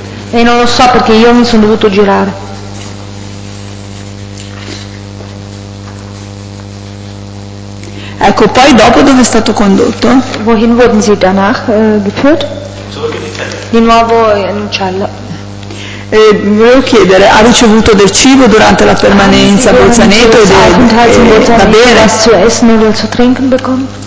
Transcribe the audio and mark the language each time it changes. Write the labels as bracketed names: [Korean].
[Italian] E non lo so, perché io mi sono dovuto girare. Ecco, poi dopo dove è stato condotto? [German] Wohin wurden sie danach geführt? [Italian] Di nuovo in un cello. E volevo chiedere, ha ricevuto del cibo durante la permanenza a Bolzaneto e da bere? [German] Was zu essen oder zu trinken bekommen?